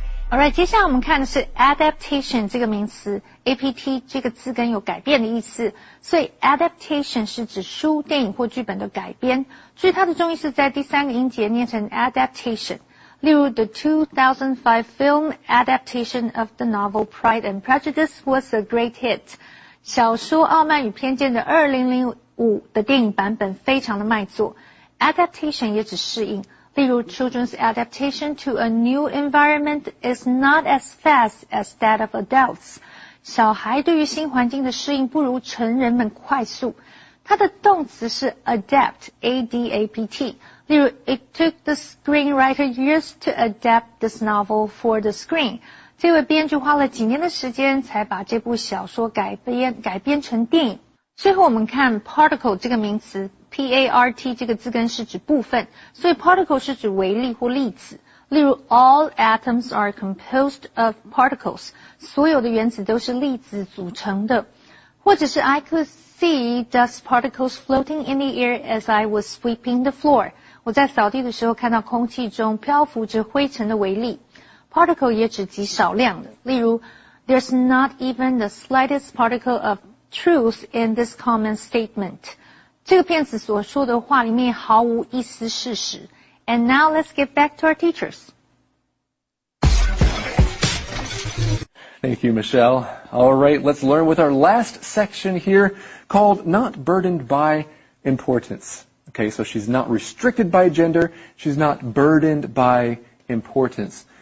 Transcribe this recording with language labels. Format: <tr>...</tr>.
<en>All right,</en> <zh>接下来我们看的是 adaptation 这个名词 ,apt 这个字根有改变的意思。所以 adaptation 是指书、电影或剧本的改编。所以它的重音是在第三个音节念成 adaptation。</zh> <en>例如 ,the 2005 film adaptation of the novel Pride and Prejudice was a great hit.</en> <zh>小说傲慢与偏见的2005的电影版本非常的卖座。 adaptation 也指适应。</zh> <en>例如 children's adaptation to a new environment is not as fast as that of adults.</en> <zh>小孩对于新环境的适应不如成人们快速。它的动词是 adapt, A-D-A-P-T.</zh> <en>例如 it took the screenwriter years to adapt this novel for the screen.</en> <zh>这位编剧花了几年的时间才把这部小说改编成电影。最后我们看 particle 这个名词。PART 这个字根是指部分，所以 particle 是指微粒或粒子。例如 ,</zh> <en>all atoms are composed of particles,</en> <zh>所有的原子都是粒子组成的。或者是</zh> <en>I could see dust particles floating in the air as I was sweeping the floor.</en> <zh>我在扫地的时候看到空气中漂浮着灰尘的微粒。 Particle 也指极少量的。</zh> <en>例如 ,there's not even the slightest particle of truth in this common statement.</en> <zh>这个骗子所说的话里面毫无一丝事实。</zh> <en>And now let's get back to our teachers. Thank you, Michelle. All right, let's learn with our last section here called Not Burdened by Importance. Okay, so she's not restricted by gender. She's not burdened by importance.</en>